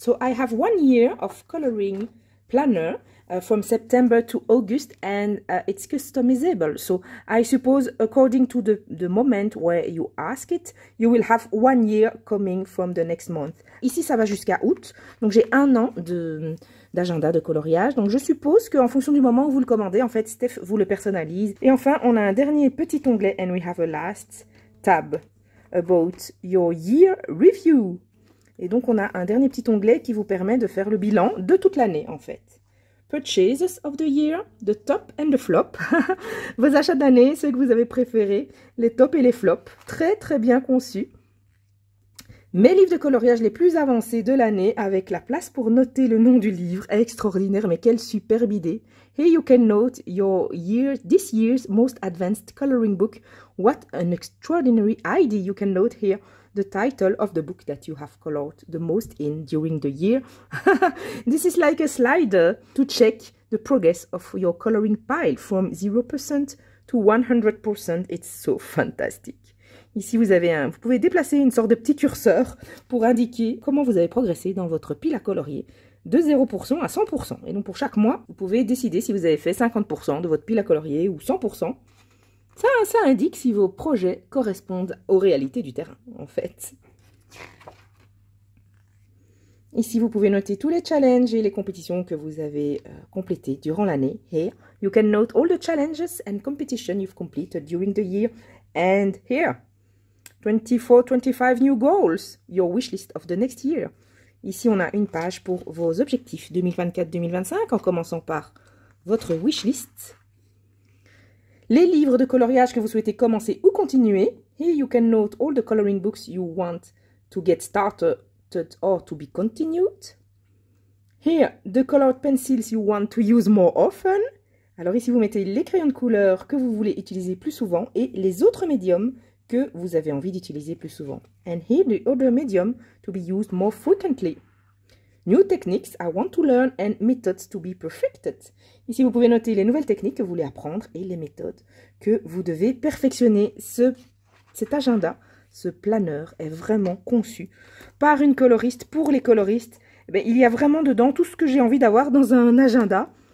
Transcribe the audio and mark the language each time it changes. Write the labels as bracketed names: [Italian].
[English] So I have 1 year of coloring planner from September to August, and it's customizable. So I suppose according to the moment where you ask it, you will have 1 year coming from the next month. [French] Ici, ça va jusqu'à août. Donc j'ai un an d'agenda de coloriage. Donc je suppose qu'en fonction du moment où vous le commandez, en fait, Steph vous le personnalise. Et enfin, on a un dernier petit onglet, [English] and we have a last tab about your year review. [French] Et donc, on a un dernier petit onglet qui vous permet de faire le bilan de toute l'année, en fait. [English] Purchases of the year, the top and the flop. [French] Vos achats d'année, ceux que vous avez préférés, les tops et les flops. Très, très bien conçus. Mes livres de coloriage les plus avancés de l'année, avec la place pour noter le nom du livre. Extraordinaire, mais quelle superbe idée. [English] Here you can note your year, this year's most advanced coloring book. What an extraordinary idea. You can note here the title of the book that you have colored the most in during the year. This is like a slider to check the progress of your coloring pile from 0% to 100%. It's so fantastic. [French] Ici, vous pouvez déplacer une sorte de petit curseur pour indiquer comment vous avez progressé dans votre pile à colorier de 0% à 100%. Et donc, pour chaque mois, vous pouvez décider si vous avez fait 50% de votre pile à colorier ou 100%. Ça indique si vos projets correspondent aux réalités du terrain, en fait. Ici, vous pouvez noter tous les challenges et les compétitions que vous avez complétées durant l'année. [English] Here, you can note all the challenges and competitions you've completed during the year. And here, 24, 25 new goals, your wish list of the next year. [French] Ici, on a une page pour vos objectifs 2024-2025, en commençant par votre wish list. Les livres de coloriage que vous souhaitez commencer ou continuer. [English] Here you can note all the coloring books you want to get started or to be continued. Here, the colored pencils you want to use more often. [French] Alors ici, vous mettez les crayons de couleur que vous voulez utiliser plus souvent et les autres médiums que vous avez envie d'utiliser plus souvent. [English] And here, the other medium to be used more frequently. New techniques I want to learn and methods to be perfected. [French] Ici, vous pouvez noter les nouvelles techniques que vous voulez apprendre et les méthodes que vous devez perfectionner. Cet agenda, ce planeur est vraiment conçu par une coloriste pour les coloristes. Eh bien, il y a vraiment dedans tout ce que j'ai envie d'avoir dans un agenda.